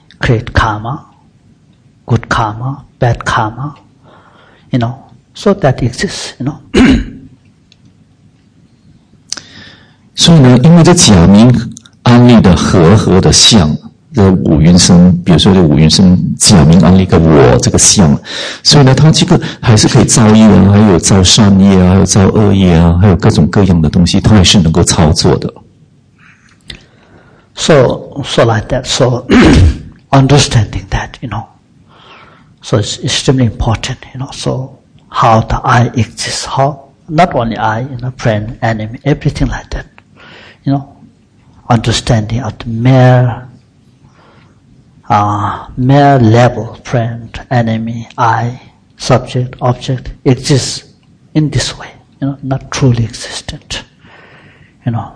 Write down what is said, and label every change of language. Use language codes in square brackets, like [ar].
[en] Create karma, good karma, bad karma, you know, so that exists, you know. [zh] 所以呢，因为这假名安立的和合的相，这五蕴身，比如说这五蕴身假名安立个我这个相，所以呢，它这个还是可以造业啊，还有造善业啊，还有造恶业啊，还有各种各样的东西，它还是能够操作的。 [en] So like that. So understanding that, you know, so it's extremely important, you know. So how the I exists, how not only I, you know, friend, enemy, everything like that, you know, understanding at mere level, friend, enemy, I, subject, object exists in this way, you know, not truly existent, you know.